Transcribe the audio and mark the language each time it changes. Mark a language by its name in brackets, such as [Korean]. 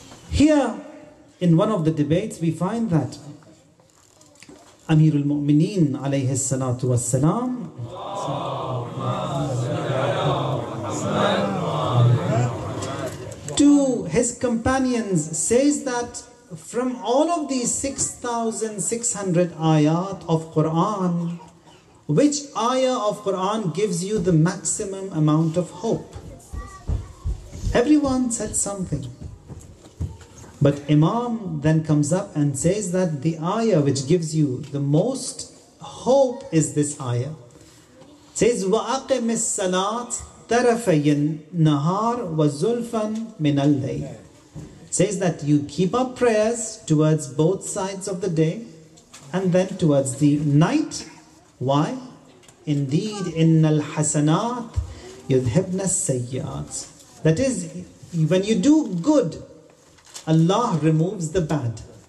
[English] Here, in one of the debates, we find that Amirul Mu'mineen alayhi salatu was salam, to his companions, says that from all of these 6,600 ayat of Quran, which ayah of Quran gives you the maximum amount of hope? Everyone said something. But Imam then comes up and says that the ayah which gives you the most hope is this ayah. It says, [Arabic] وَأَقِمِ السَّلَاةِ تَرَفَيِ النَّهَارِ وَزُلْفًا مِنَ اللَّيْلِ. [English] Says that you keep up prayers towards both sides of the day and then towards the night. Why? Indeed, [Arabic] innal hasanat yudhibna sayyat. [English] That is, when you do good, Allah removes the bad.